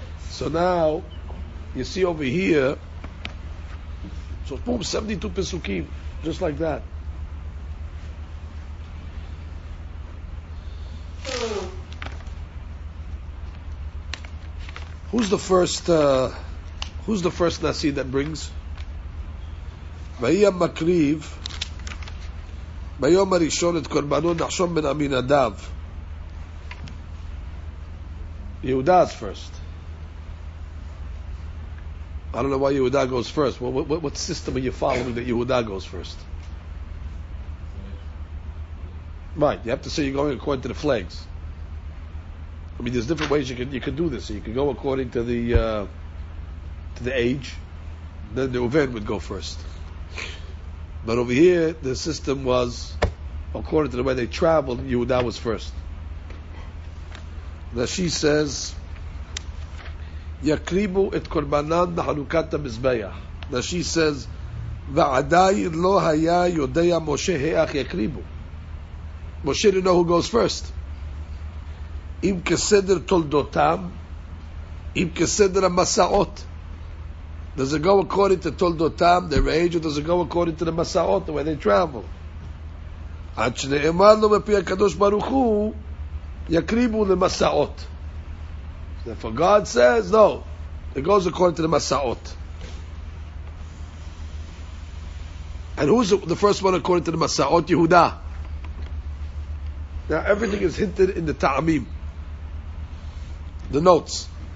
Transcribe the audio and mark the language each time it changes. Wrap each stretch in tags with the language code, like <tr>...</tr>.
<en>So now, you see over here, so boom, 72 pesukim, just like that. Who's the first nasi that brings?</en> <he>Vayyam makriv. ביום הראשון את קורבנו נחשון בן עמינדב.</he> <en>יהודה is first. I don't know why יהודה goes first. What system are you following that יהודה goes first? Right, you have to say you're going according to the flags. I mean, there's different ways you can do this. You can go according to the age. Then the Uven would go first. But over here, the system was, according to the way they traveled, Yehuda was first. Now she says,</en> <he>Yakribu et korbanan nahanukata mizbeah.</he> <en>Now she says,</en> <he>Va'adai lo haya yodeya Moshe heach yakribu.</he> <en>Moshe didn't know who goes first.</en> <he>Im kesedr toldotam, im kesedr masaot.</he> <en>Does it go according to toldotam, their age, or does it go according to the masaot, the way they travel?</en> <he>עד שנאמר לו בפי הקדוש ברוך הוא יקריבו למסעות.</he> <en>If God says no, it goes according to the מסעות. And who's the first one according to the מסעות? יהודה. Now everything is hinted in the ta'amim, the notes.</en>